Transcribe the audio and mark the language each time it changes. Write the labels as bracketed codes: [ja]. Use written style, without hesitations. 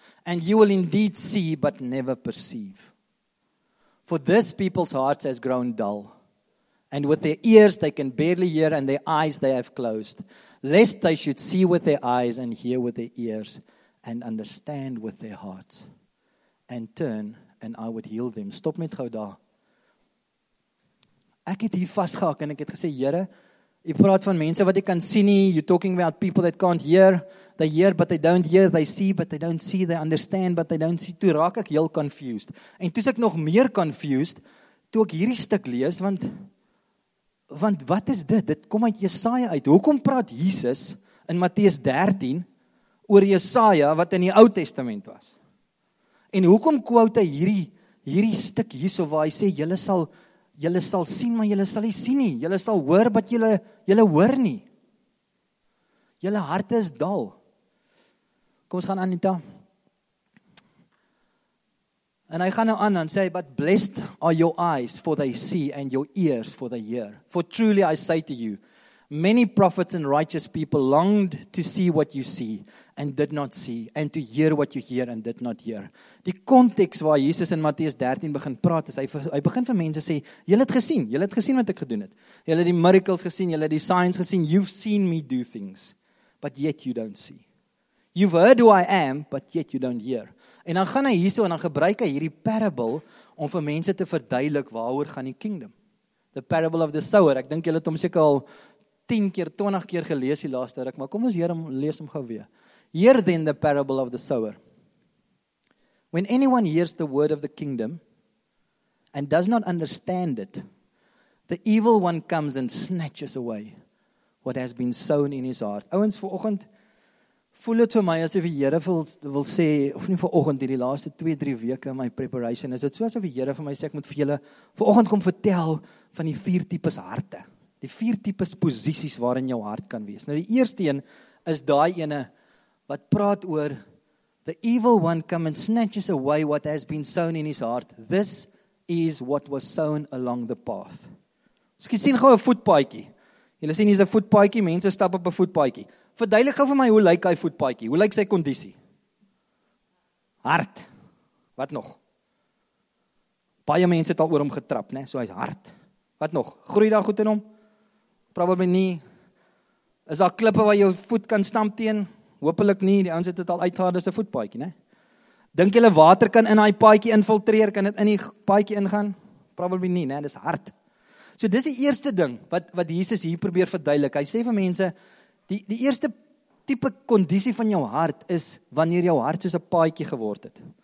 [en] And you will indeed see, but never perceive. For this people's hearts has grown dull. And with their ears, they can barely hear, and their eyes they have closed. Lest they should see with their eyes, and hear with their ears, and understand with their hearts. And turn, and I would heal them. [af] Stop met gou daar. Ek het hier vasgehak en ek het gesê, Here, jy praat van mense wat jy kan sien nie. [en] You're talking about people that can't hear. They hear, but they don't hear. They see, but they don't see. They understand, but they don't see. [af] Toe raak ek heel confused. En toe is ek nog meer confused, toe ek hierdie stuk lees, want wat is dit? Dit kom uit Jesaja uit. Hoekom praat Jesus in Matteus 13 oor Jesaja wat in die Ou Testament was? En hoekom quote hy hierdie stuk hierso waar hy sê, Julle sal sien, maar julle sal nie sien nie. Julle sal hoor, maar julle hoor nie. Julle harte is dal. Kom ons gaan aan, Anita. En hy gaan nou aan en sê, [en] but blessed are your eyes for they see and your ears for they hear. For truly I say to you, many prophets and righteous people longed to see what you see and did not see and to hear what you hear and did not hear. [af] Die konteks waar Jesus in Matteus 13 begin praat is, hy begin vir mense sê, julle het gesien wat ek gedoen het. Julle het die miracles gesien, julle het die signs gesien, [en] you've seen me do things, but yet you don't see. You've heard who I am, but yet you don't hear. [af] En dan gaan hy hierso en dan gebruik hy hierdie parable om vir mense te verduidelik waaroor gaan die kingdom. [en] The parable of the sower. [af] Ek dink julle het hom seker al 10 keer, 20 keer gelees die laaste ruk, maar kom ons lees hom gou weer. [en] Hear then the parable of the sower. When anyone hears the word of the kingdom and does not understand it, the evil one comes and snatches away what has been sown in his heart. [af] Ouens, vanoggend voel dit vir my asof die Here wil sê, of nie vanoggend hierdie laaste 2-3 weke in my preparation, is dit so asof die Here vir my sê, ek moet vir julle vanoggend kom vertel van die 4 tipes harte. Die 4 tipes posisies waarin jou hart kan wees. Nou die eerste een is daai ene wat praat oor [en] the evil one come and snatches away what has been sown in his heart. This is what was sown along the path. [af] Skien sien gou 'n voetpaadjie. Jy sien hier's 'n voetpaadjie, mense stap op 'n voetpaadjie. Verduidelik gou vir my hoe lyk hy voetpaadjie? Hoe lyk sy kondisie? Hard. Wat nog? Baie mense het al oor hom getrap, né? So hy's hard. Wat nog? Groei daar goed in hom? Probably nie. Is daar klippe waar jou voet kan stamp teen? Hoopelik nie, die ouens het dit al uitgehard, dis 'n voetpaadjie, né? Dink jy water kan in daai paadjie infiltreer, kan dit in die paadjie ingaan? Probably nie, né? Dis hard. So dis die eerste ding wat Jesus hier probeer verduidelik. Hy sê vir mense, die eerste tipe kondisie van jou hart is wanneer jou hart soos 'n paadjie geword het.